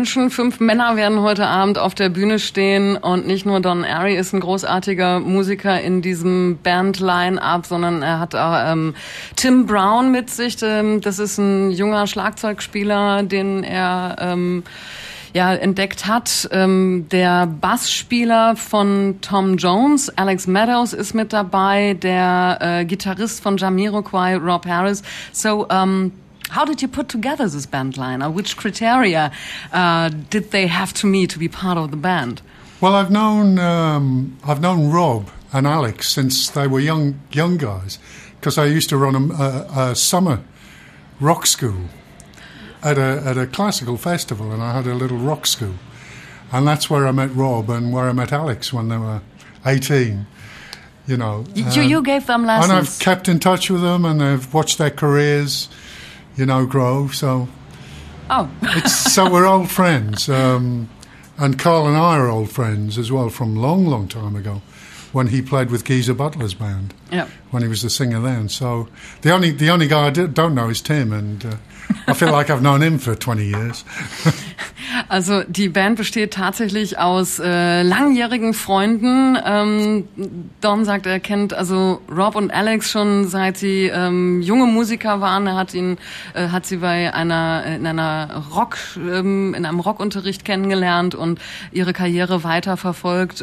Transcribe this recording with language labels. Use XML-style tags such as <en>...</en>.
<de>Fünf Männer werden heute Abend auf der Bühne stehen und nicht nur Don Airey ist ein großartiger Musiker in diesem Band-Line-Up, sondern er hat auch Tim Brown mit sich. Das ist ein junger Schlagzeugspieler, den er entdeckt hat. Der Bassspieler von Tom Jones, Alex Meadows, ist mit dabei. Der Gitarrist von Jamiroquai, Rob Harris.</de> <en>So, how did you put together this band line? Or which criteria did they have to meet to be part of the band? Well, I've known Rob and Alex since they were young guys, because I used to run a summer rock school. At a classical festival, and I had a little rock school, and that's where I met Rob and where I met Alex when they were 18. You know, you gave them lessons, and I've kept in touch with them, and I've watched their careers, you know, grow. So, we're old friends, and Carl and I are old friends as well from long, long time ago, when he played with Geezer Butler's band. Yeah, when he was the singer then. So the only guy I don't know is Tim, and. I feel like I've known him for 20 years.</en> <de>Also die Band besteht tatsächlich aus langjährigen Freunden. Don sagt, er kennt also Rob und Alex schon seit sie junge Musiker waren. Er hat sie bei einem Rockunterricht kennengelernt und ihre Karriere weiterverfolgt.</de>